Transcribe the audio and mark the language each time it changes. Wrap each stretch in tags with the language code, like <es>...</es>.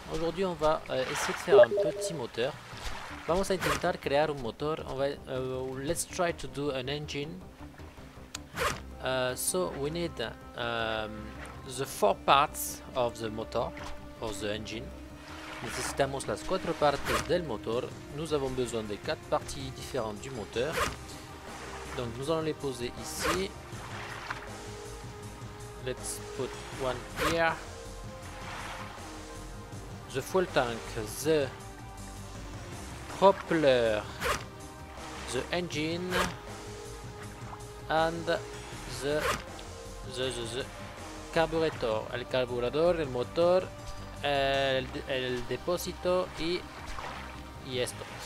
<fr>Aujourd'hui on va essayer de faire un petit moteur.</fr> <es>Vamos a intentar crear un motor.</es> <fr>On va,</fr> <en>let's try to do an engine. So we need the four parts of the motor, of the engine.</en> <es>Necesitamos las cuatro partes del motor.</es> <fr>Nous avons besoin des quatre parties différentes du moteur. Donc nous allons les poser ici.</fr> <en>Let's put one here. The fuel tank, the propeller, the engine, and the carburetor,</en> <es>el carburador, el motor, el depósito y esto.</es>